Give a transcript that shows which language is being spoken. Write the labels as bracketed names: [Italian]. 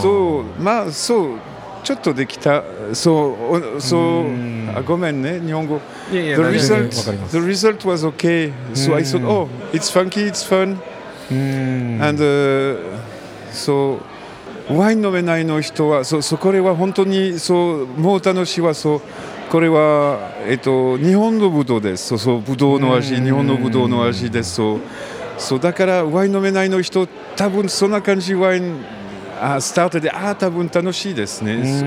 [Japanese] と、まあ、そう、ちょっとできた、そう、そう、あ、ごめんね、日本語。いやいや、 [English] the result、the result was okay. So I thought, oh, it's funky, it's fun. [Japanese] And so, ワイン飲めないの人は、そう、これは本当に、そう、もう楽しいは、そう、これは、日本のブドウです。そう、ブドウの味、日本のブドウの味です。そう、だからワイン飲めないの人、多分そんな感じワイン、あ、スタートで、あ、多分楽しいですね。